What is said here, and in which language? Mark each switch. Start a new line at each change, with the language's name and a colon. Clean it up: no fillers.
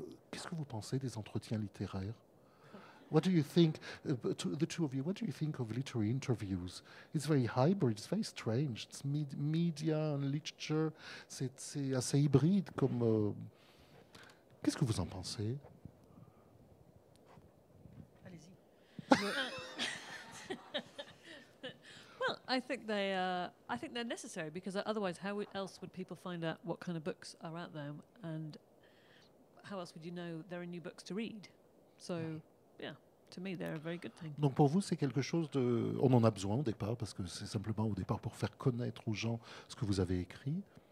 French: Qu'est-ce que vous pensez des entretiens littéraires?
English: What do you think, the two of you, what do you think of literary interviews? It's very hybrid, it's very strange. It's media and literature,
French: c'est assez hybride. Qu'est-ce que vous en pensez? Allez-y.
English: Well, I think they're necessary, because otherwise how else would people find out what kind of books are out there, and how else would you know there are new books to read? So, yeah. To me, they're a very good thing.
French: Donc pour vous, c'est quelque chose de... On en a besoin au départ, parce que c'est simplement au départ pour faire connaître aux gens ce que vous avez écrit.